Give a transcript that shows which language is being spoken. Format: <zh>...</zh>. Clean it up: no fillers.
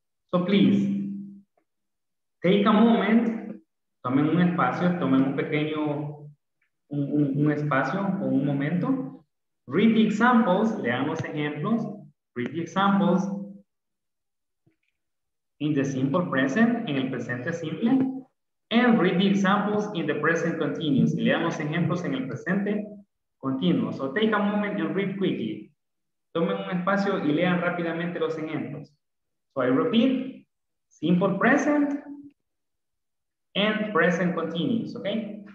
<en>So please, take a moment,</en> <es>tomen un espacio, tomen un pequeño, un espacio o un momento.</es> <en>Read the examples,</en> <es>lean los ejemplos.</es> <en>Read the examples in the simple present,</en> <es>en el presente simple.</es> <en>And read the examples in the present continuous.</en> <es>Y lean los ejemplos en el presente continuo.</es> <en>So take a moment and read quickly.</en> <es>Tomen un espacio y lean rápidamente los ejemplos.</es> <en>So I repeat, simple present and present continuous, okay?</en>